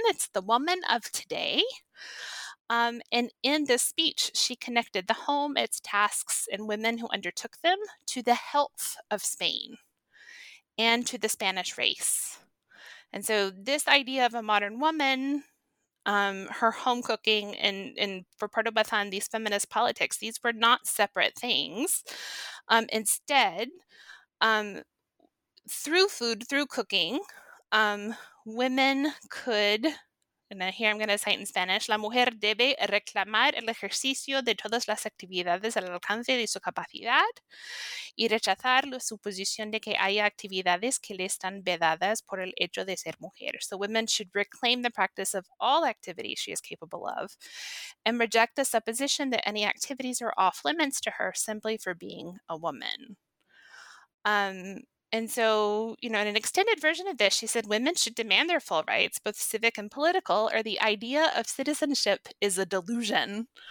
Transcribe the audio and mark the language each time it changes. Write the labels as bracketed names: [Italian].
[English] It's the woman of today. And in this speech, she connected the home, its tasks, and women who undertook them to the health of Spain and to the Spanish race. And so this idea of a modern woman, her home cooking, and for Pardo Bazán, these feminist politics, these were not separate things. Instead, through food, through cooking, women could, and then here I'm going to cite in Spanish, [Spanish] la mujer debe reclamar el ejercicio de todas las actividades al alcance de su capacidad y rechazar la suposición de que haya actividades que le están vedadas por el hecho de ser mujer. [English] So women should reclaim the practice of all activities she is capable of and reject the supposition that any activities are off limits to her simply for being a woman. And so, you know, in an extended version of this, she said women should demand their full rights, both civic and political, or the idea of citizenship is a delusion.